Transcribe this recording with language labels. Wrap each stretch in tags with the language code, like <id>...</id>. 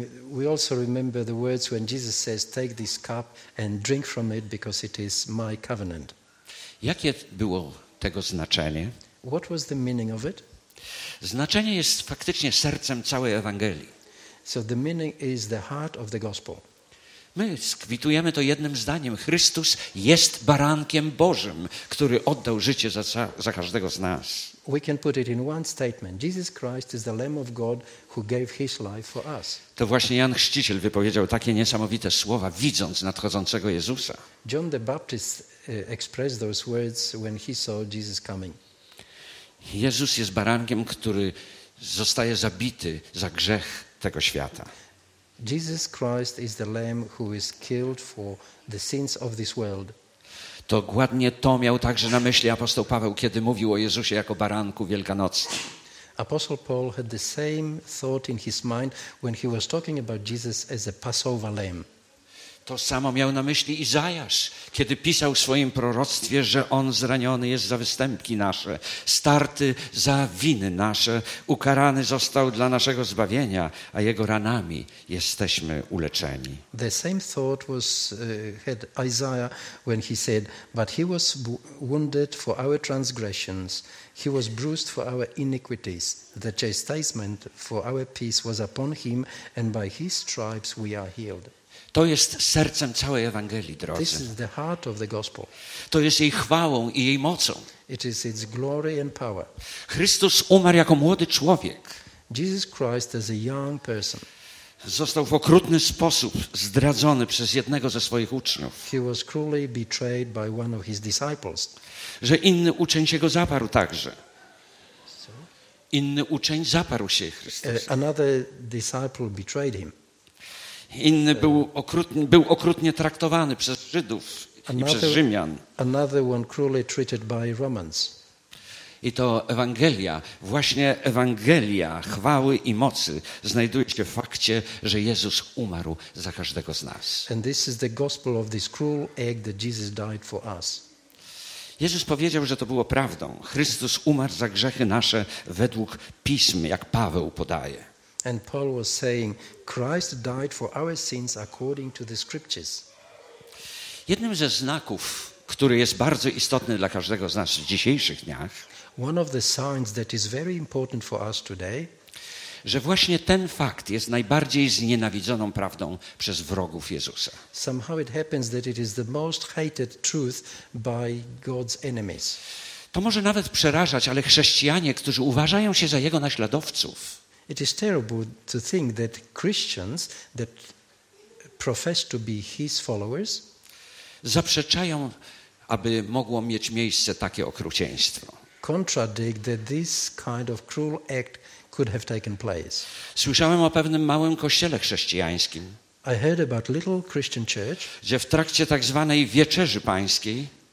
<en>We also remember the words when Jesus says, take this cup and drink from it, because it is my covenant.</en> <pl>Jakie było tego znaczenie?</pl> <en>What was the meaning of it?</en> <pl>Znaczenie jest faktycznie sercem całej Ewangelii.</pl> <en>So the meaning is the heart of the gospel.</en> <pl>My skwitujemy to jednym zdaniem. Chrystus jest barankiem Bożym, który oddał życie za każdego z nas.</pl> <en>We can put it in one statement. Jesus Christ is the Lamb of God who gave his life for us.</en> <pl>To właśnie Jan Chrzciciel wypowiedział takie niesamowite słowa, widząc nadchodzącego Jezusa.</pl> <en>John the Baptist expressed those words when he saw Jesus coming.</en> <pl>Jezus jest barankiem, który zostaje zabity za grzech tego świata.</pl> <en>Jesus Christ is the Lamb who is killed for the sins of this world.</en> <pl>Dokładnie to miał także na myśli apostoł Paweł, kiedy mówił o Jezusie jako baranku wielkanocnym.</pl> <en>Apostle Paul had the same thought in his mind when he was talking about Jesus as a Passover lamb.</en> <pl>To samo miał na myśli Izajasz, kiedy pisał w swoim proroctwie, że on zraniony jest za występki nasze, starty za winy nasze, ukarany został dla naszego zbawienia, a jego ranami jesteśmy uleczeni.</pl> <en>The same thought was had Isaiah when he said, but he was wounded for our transgressions, he was bruised for our iniquities. The chastisement for our peace was upon him and by his stripes we are healed.</en> <pl>To jest sercem całej Ewangelii, drodzy.</pl> <en>This is the heart of the gospel.</en> <pl>To jest jej chwałą i jej mocą.</pl> <en>It is its glory and power.</en> <pl>Chrystus umarł jako młody człowiek.</pl> <en>Jesus Christ as a young person.</en> <pl>Został w okrutny sposób zdradzony przez jednego ze swoich uczniów.</pl> <en>He was cruelly betrayed by one of his disciples.</en> <pl>Że inny uczeń się go zaparł także. Inny uczeń zaparł się Chrystusa.</pl> <en>Another disciple betrayed him.</en> <pl>Inny był okrutnie traktowany przez Żydów i przez Rzymian.</pl> <en>Another one cruelly treated by Romans.</en> <pl>I to Ewangelia, właśnie Ewangelia chwały i mocy znajduje się w fakcie, że Jezus umarł za każdego z nas.</pl> <en>And this is the gospel of this cruel egg that Jesus died for us.</en> <pl>Jezus powiedział, że to było prawdą. Chrystus umarł za grzechy nasze według Pism, jak Paweł podaje.</pl> <en>And Paul was saying, Christ died for our sins according to the scriptures.</en> <pl>Jednym ze znaków, który jest bardzo istotny dla każdego z nas w dzisiejszych dniach,</pl> <en>one of the signs that is very important for us today,</en> <pl>że właśnie ten fakt jest najbardziej znienawidzoną prawdą przez wrogów Jezusa.</pl> <en>Somehow it happens that it is the most hated truth by God's enemies.</en> <pl>To może nawet przerażać, ale chrześcijanie, którzy uważają się za jego naśladowców,</pl> <en>it is terrible to think that Christians that profess to be his followers,</en> <pl>zaprzeczają, aby mogło mieć miejsce takie okrucieństwo.</pl> <en>Contradict that this kind of cruel act could have taken place.</en> <pl>Słyszałem o pewnym małym kościele chrześcijańskim,</pl> <en>I heard about little Christian church,</en> <pl>gdzie w trakcie tak zwanej wieczerzy pańskiej,</pl>